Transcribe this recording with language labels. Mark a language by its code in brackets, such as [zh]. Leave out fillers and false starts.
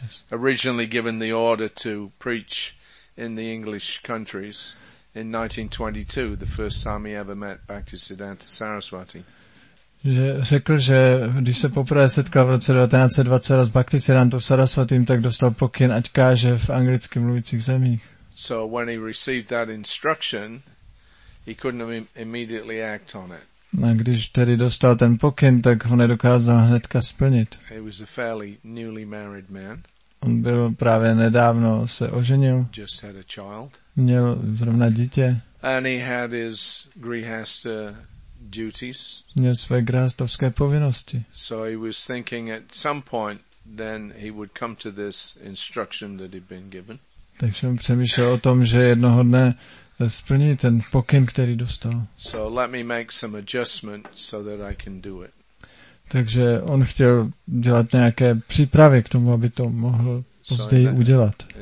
[en] That he was originally given the order to preach in the English countries in 1922, the first time he ever met Bhaktisiddhanta Saraswati. [cs] Že řekl, že když se poprvé setkal v roce 1920 s Bhaktisiddhanta Saraswati, tak dostal pokyn, ať káže v anglicky mluvících zemích. [en] So when he received that instruction, he couldn't immediately act on it. [cs] A když tedy dostal ten pokyn, tak ho nedokázal hnedka splnit. [en] He was a fairly newly married man. [cs] On byl právě nedávno se oženil. [en] Just had a child. [cs] Měl zrovna dítě. [en] And he had his grihastha duties. [cs] Měl své grihastovské povinnosti. [en] So he was thinking at some point then he would come to this instruction that he'd been given. [cs] Takže on přemýšlel o tom, že jednoho dne splní ten pokyn, který dostal. [en] So let me make some adjustment so that I can do it. [cs] Takže on chtěl dělat nějaké přípravy k tomu, aby to mohl později udělat.